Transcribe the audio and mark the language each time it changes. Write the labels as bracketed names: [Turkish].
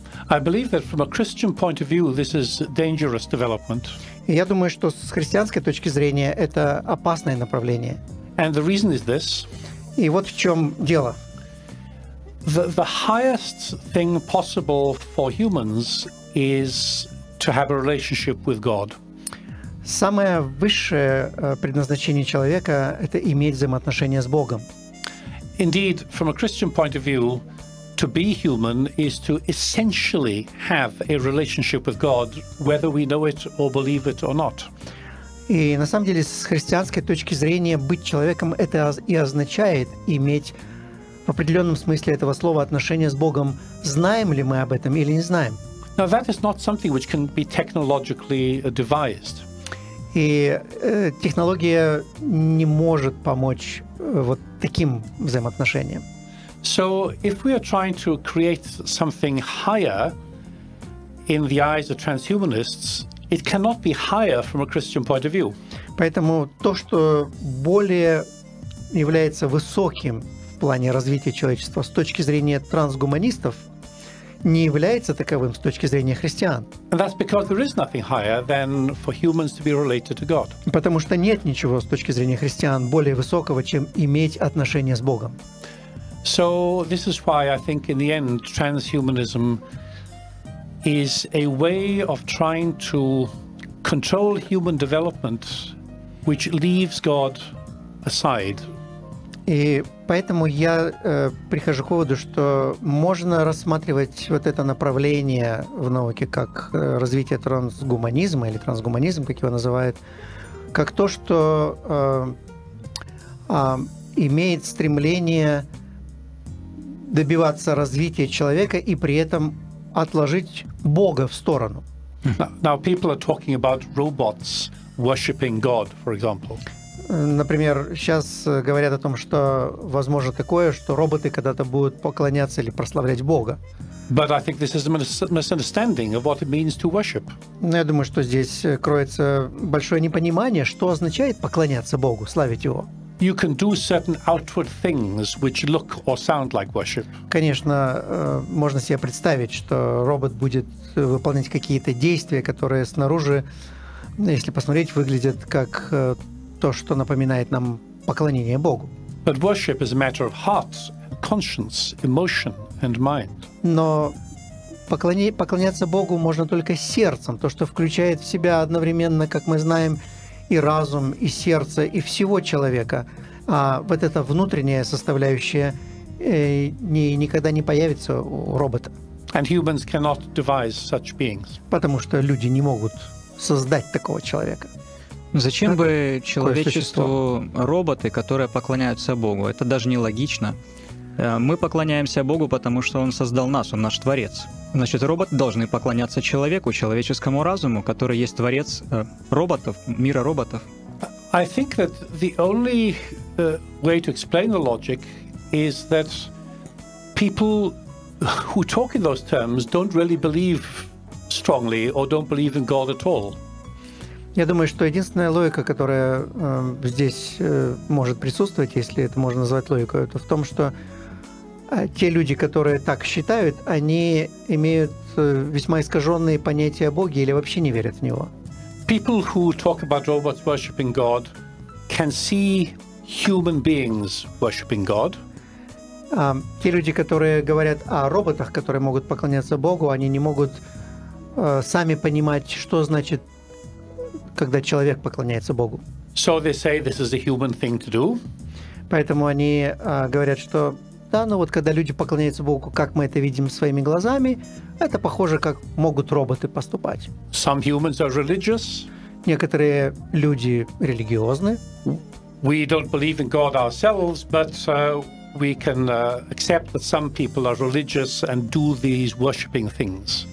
[English] I believe that from a Christian point of view this is dangerous development. [Russian] Я думаю, что с христианской точки зрения это опасное направление. [English] And the reason is this. [Russian] И вот в чем дело. [English] The highest thing possible for humans is to have a relationship with God. [Russian] Самое высшее предназначение человека – это иметь взаимоотношения с Богом. [English] Indeed, from a Christian point of view, to be human is to essentially have a relationship with God, whether we know it or believe it or not. [Russian] И на самом деле, с христианской точки зрения, быть человеком – это и означает иметь в определенном смысле этого слова отношения с Богом, знаем ли мы об этом или не знаем. [English] Now, that is not something which can be technologically devised. [Russian] И технология не может помочь вот таким взаимоотношениям. [English] So if we are trying to create something higher in the eyes of transhumanists, it cannot be higher from a Christian point of view. [Russian] Поэтому то, что более является высоким в плане развития человечества с точки зрения трансгуманистов, не является таковым с точки зрения христиан. [English] And that's because there is nothing higher than for humans to be related to God. [Russian] Потому что нет ничего с точки зрения христиан более высокого, чем иметь отношение с Богом. [English] So this is why I think in the end transhumanism is a way of trying to control human development which leaves God aside [Russian] И поэтому я прихожу к выводу, что можно рассматривать вот это направление в науке как развитие трансгуманизма или трансгуманизм, как его называют, как то, что имеет стремление добиваться развития человека и при этом отложить Бога в сторону. [English] Now people are talking about robots worshiping God, for example. [Russian] Например, сейчас говорят о том, что возможно такое, что роботы когда-то будут поклоняться или прославлять Бога. [English] But I think this is a misunderstanding of what it means to worship. [Russian] Но я думаю, что здесь кроется большое непонимание, что означает поклоняться Богу, славить Его. [English] You can do certain outward things which look or sound like worship. [Russian] Конечно, можно себе представить, что робот будет выполнять какие-то действия, которые снаружи, если посмотреть, выглядят как то, что напоминает нам поклонение Богу. [English] But worship is a matter of heart, conscience, emotion and mind. [Russian] Но поклоняться Богу можно только сердцем, то, что включает в себя одновременно, как мы знаем, и разум, и сердце, и всего человека. А вот эта внутренняя составляющая никогда не появится у робота. [English] And humans cannot devise such beings. [Russian] Потому что люди не могут создать такого человека. Зачем бы человечеству роботы, которые поклоняются Богу? Это даже не логично. Мы поклоняемся Богу, потому что Он создал нас, Он наш Творец. Значит, роботы должны поклоняться человеку, человеческому разуму, который есть Творец роботов, мира роботов. [English] I think that the only way to explain the logic is that people who talk in those terms don't really believe strongly or don't believe in God at all. [Russian] Я думаю, что единственная логика, которая здесь может присутствовать, если это можно назвать логикой, это в том, что те люди, которые так считают, они имеют весьма искаженные понятия о Боге или вообще не верят в Него. [English] People who talk about robots worshiping God can see human beings worshiping God. [Russian] Те люди, которые говорят о роботах, которые могут поклоняться Богу, они не могут сами понимать, что значит, когда человек поклоняется Богу. [English] So they say this is a human thing to do. [Russian] Поэтому они говорят, что да, но вот когда люди поклоняются Богу, как мы это видим своими глазами, это похоже, как могут роботы поступать. [English] Some humans are religious. [Russian] Некоторые люди религиозны. [English] We don't believe in God ourselves, but we can accept that some people are religious and do these worshiping things.